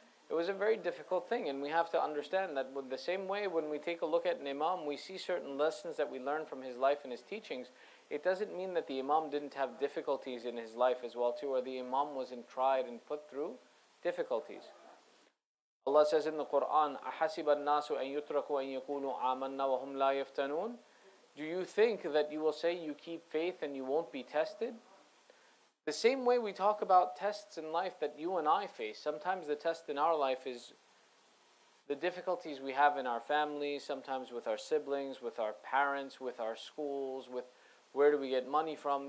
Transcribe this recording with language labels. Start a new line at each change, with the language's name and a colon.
English: It was a very difficult thing, and we have to understand that with the same way when we take a look at an imam, we see certain lessons that we learn from his life and his teachings. It doesn't mean that the imam didn't have difficulties in his life as well too, or the imam wasn't tried and put through difficulties. Allah says in the Quran,
Arabic: أَحَسِبَ النَّاسُ أَن يُتْرَكُوا أَن يَكُونُوا عَامَنَّا وَهُمْ لَا يَفْتَنُونَ.
English: Do you think that you will say you keep faith and you won't be tested? The same way we talk about tests in life that you and I face, sometimes the test in our life is the difficulties we have in our family, sometimes with our siblings, with our parents, with our schools, with where do we get money from.